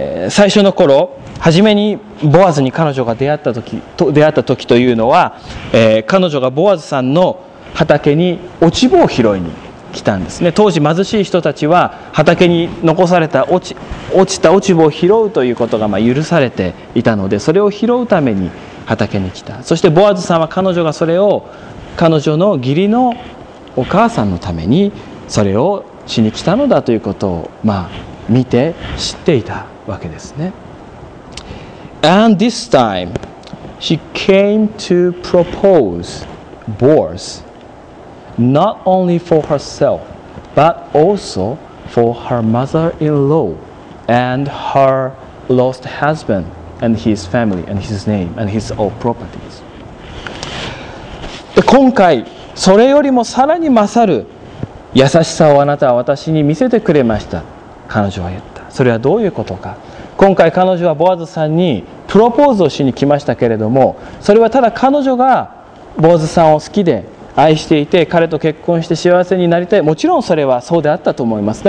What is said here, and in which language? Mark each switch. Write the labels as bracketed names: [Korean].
[Japanese] 最初の頃、初めにボアズに彼女が出会った時というのは、彼女がボアズさんの畑に落ち穂を拾いに来たんですね。当時貧しい人たちは畑に残された落ちた落ち穂を拾うということが許されていたので、それを拾うために畑に来た。そしてボアズさんは彼女がそれを、彼女の義理のお母さんのためにそれをしに来たのだということを見て知っていたわけですね。 [English] And this time she came to propose boars not only for herself but also for her mother-in-law and her lost husband and his family and his name and his old properties. [Japanese] 今回それよりもさらに勝る優しさをあなたは私に見せてくれました、彼女は言った。それはどういうことか。今回彼女はボアズさんにプロポーズをしに来ましたけれども、それはただ彼女がボアズさんを好きで愛していて、彼と結婚して幸せになりたい、もちろんそれはそうであったと思います。